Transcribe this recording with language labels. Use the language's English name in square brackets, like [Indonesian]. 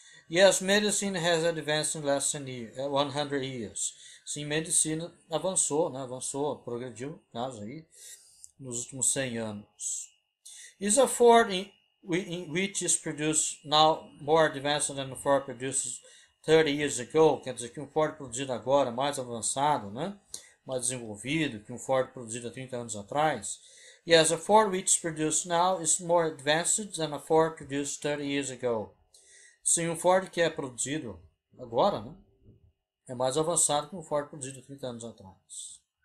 [English] Yes, medicine has advanced in less than 100 years. [Portuguese] Sim, medicina avançou, né? Avançou, progrediu, caso aí, nos últimos 100 anos. [English] Is a Ford in which is produced now more advanced than the Ford produced 30 years ago? [Portuguese] Quer dizer, que um Ford produzido agora, mais avançado, né? Mais desenvolvido, que um Ford produzido há 30 anos atrás. [English] Yes, a Ford which is produced now is more advanced than a Ford produced 30 years ago. [Portuguese] Sim, um Ford que é produzido agora, né? É mais avançado que um Ford produzido 30 anos atrás.